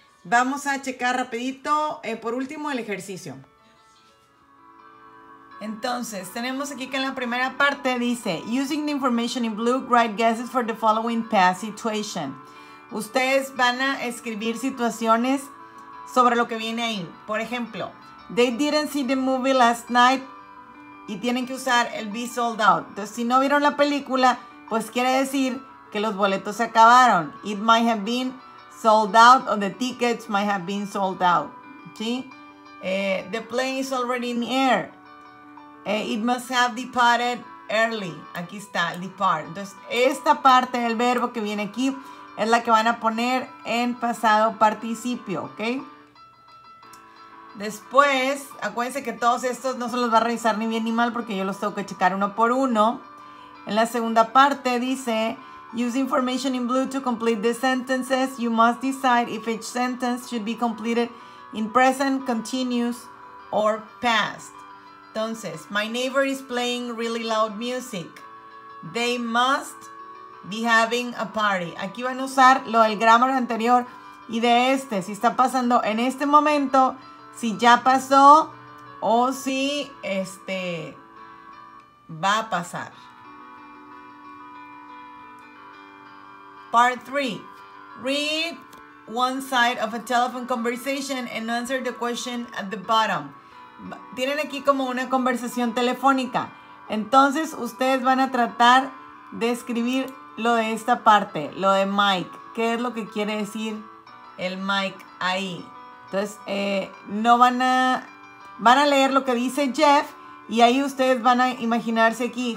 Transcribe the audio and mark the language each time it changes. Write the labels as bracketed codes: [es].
[es] Vamos a checar rapidito, por último, el ejercicio. Entonces, tenemos aquí que en la primera parte dice, [en] using the information in blue, write guesses for the following past situation. [es] Ustedes van a escribir situaciones sobre lo que viene ahí. Por ejemplo, [en] they didn't see the movie last night. [es] Y tienen que usar el [en] be sold out. [es] Entonces, si no vieron la película, pues quiere decir que los boletos se acabaron. [en] It might have been sold out, or the tickets might have been sold out. [es] ¿Sí? [en] The plane is already in the air. It must have departed early. [es] Aquí está, depart. Entonces, esta parte del verbo que viene aquí es la que van a poner en pasado participio, ¿ok? Después, acuérdense que todos estos no se los va a revisar ni bien ni mal porque yo los tengo que checar uno por uno. En la segunda parte dice, [en] use information in blue to complete the sentences. You must decide if each sentence should be completed in present, continuous, or past. [es] Entonces, [en] my neighbor is playing really loud music. They must be having a party. [es] Aquí van a usar lo del grammar anterior y de este. Si está pasando en este momento, si ya pasó o si este va a pasar. [en] Part 3. Read one side of a telephone conversation and answer the question at the bottom. [es] Tienen aquí como una conversación telefónica. Entonces, ustedes van a tratar de escribir lo de esta parte, lo de Mike. ¿Qué es lo que quiere decir el Mike ahí? Entonces, no van a... Van a leer lo que dice Jeff y ahí ustedes van a imaginarse aquí.